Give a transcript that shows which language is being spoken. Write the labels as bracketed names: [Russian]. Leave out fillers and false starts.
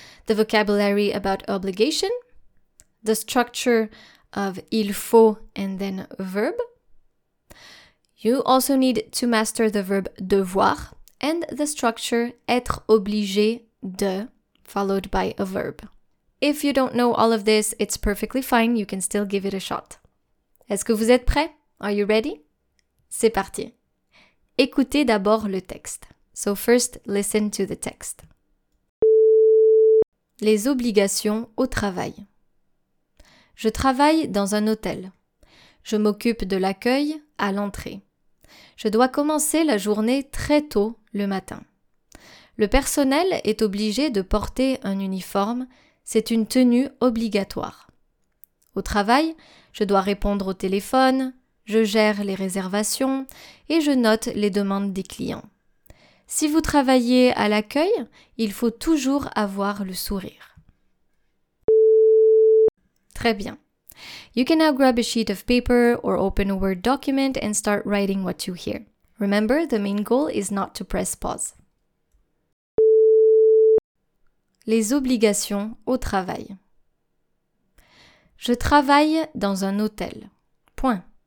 [English] The vocabulary about obligation, the structure of il faut and then verb. You also need to master the verb devoir and the structure être obligé de followed by a verb. If you don't know all of this, it's perfectly fine. You can still give it a shot. [French] Est-ce que vous êtes prêts? [English] Are you ready? [French] C'est parti. Écoutez d'abord le texte. [English] So first, listen to the text. [French] Les obligations au travail. Je travaille dans un hôtel. Je m'occupe de l'accueil à l'entrée. Je dois commencer la journée très tôt le matin. Le personnel est obligé de porter un uniforme. C'est une tenue obligatoire. Au travail, je dois répondre au téléphone, je gère les réservations et je note les demandes des clients. Si vous travaillez à l'accueil, il faut toujours avoir le sourire. Très bien. [English] You can now grab a sheet of paper or open a Word document and start writing what you hear. Remember, the main goal is not to press pause. [French] Les obligations au travail. Je travaille dans un hôtel. Point.